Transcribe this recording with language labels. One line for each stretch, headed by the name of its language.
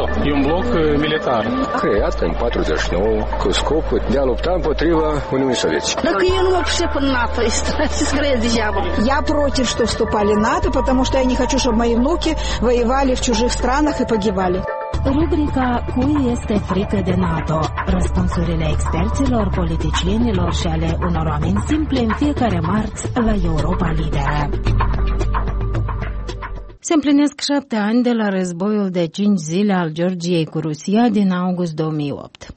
Romanian: E un bloc militar. Creat în 49 cu scopul de a lupta împotriva Uniunii Sovietice. Dacă eu nu mă pricep în NATO, este să scrie degeaba.
Russian: Я против, что вступали в НАТО, потому что я не хочу, чтобы мои внуки воевали в чужих странах и погибали.
Romanian: Rubrica Cui este frică de NATO? Răspunsurile experților, politicienilor și ale unor oameni simple în fiecare marți la Europa Liberă. Se împlinesc 7 ani de la războiul de 5 zile al Georgiei cu Rusia din august 2008.